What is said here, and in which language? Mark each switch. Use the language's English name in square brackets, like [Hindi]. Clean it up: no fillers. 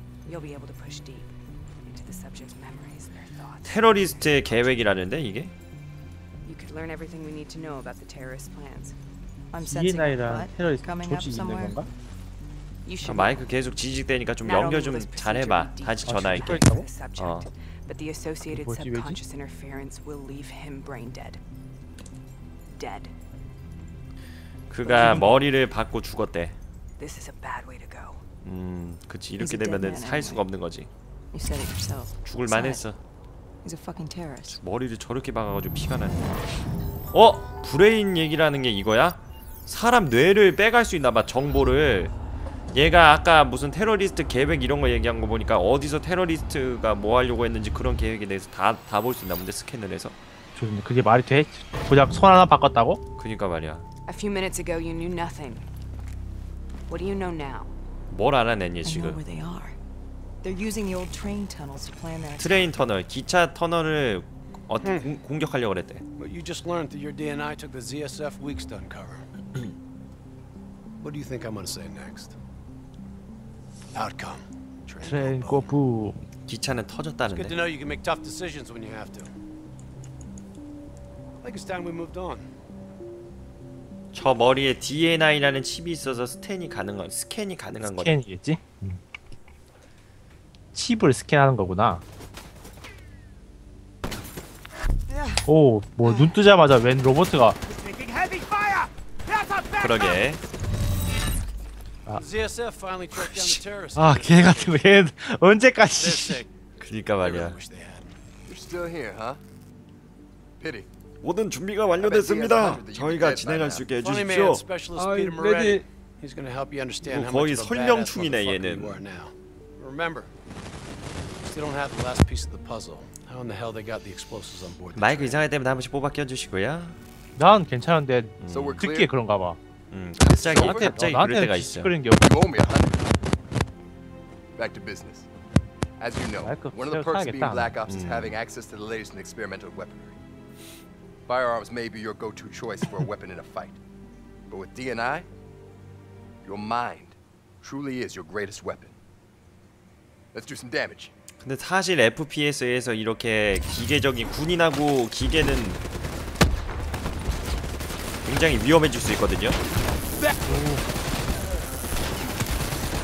[English] You'll be able to push deep into the subject's memories, their thoughts. [Korean] 테러리스트의 계획이라는데 이게? [English] You could learn everything we need to know about the terrorist plans. I'm sensing a threat coming up somewhere. [Korean] 아, 마이크 계속 지직되니까 좀 연결 좀 잘해봐. 다시 전화할게. 어. [English] But the associated subconscious interference will leave him brain dead. Dead. [Korean] 그가 머리를 받고 죽었대. [English] This is a bad way to go. [Korean] 그치 이렇게 되면은 살 수가 없는 거지. 죽을 만했어. [English] He's a fucking terrorist. [Korean] 머리를 저렇게 박아가지고 피가 나네. 어? 브레인 얘기라는 게 이거야? 사람 뇌를 빼갈 수 있나봐 정보를. 얘가 아까 무슨 테러리스트 계획 이런 거 얘기한 거 보니까 어디서 테러리스트가 뭐 하려고 했는지 그런 계획에 대해서 다 볼 수 있나 본데 스캔을 해서. 좋네. 그게 말이 돼? 고작 손 하나 바꿨다고? 그러니까 말이야. [English] A few minutes ago you knew nothing. What do you know now? [Korean] 뭘 알아냈니 지금? [English] They're using the old train tunnels to plan that. [Korean] 트레인 터널, 기차 터널을 어떻게 공격하려고 그랬대. [English] But you just learned that your DNI took the ZSF weeks to uncover. What do you think I'm going to say next? Outcome. Train go boom. 기차는 터졌다는데. Good to know you can make tough decisions when you have to. I think it's time we moved on. [Korean] 저 머리에 DNI라는 칩이 있어서 스캔이 가능한 스캔이 가능한 거지. 스캔이겠지? 칩을 스캔하는 거구나. 오, 뭐 눈 뜨자마자 웬 로봇이가. 그러게. [English] ZSF finally tracked down the terrorists. [Korean] 아, 걔 같은 거 얘 언제까지? 그러니까 말이야. [English] You're still here, huh? Pity. [Korean] 모든 준비가 완료됐습니다. 저희가 진행할 수 있게 해주십시오. 아, 레디. 거의 설명충이네 얘는. [English] Remember, they don't have the last piece of the puzzle. How in the hell they got the explosives on board? [Korean] 마이크 이상할 때마다 한 번씩 뽑아 껴주시고요. 난 괜찮은데 듣기에 그런가 봐. 갑자기 나한테 갑자기 그럴 때가 있어. 그런 게 없어. [English] Back to business. As you know, one of the perks of being Black Ops is having access to the latest in experimental weaponry. Firearms may be your go-to choice for a weapon in a fight, but with DNI, your mind truly is your greatest weapon. Let's do some damage. [Korean] 근데 사실 FPS에서 이렇게 기계적인 군인하고 기계는 굉장히 위험해질 수 있거든요. 이런 놈들 중에 악한 놈이 등장하면 이제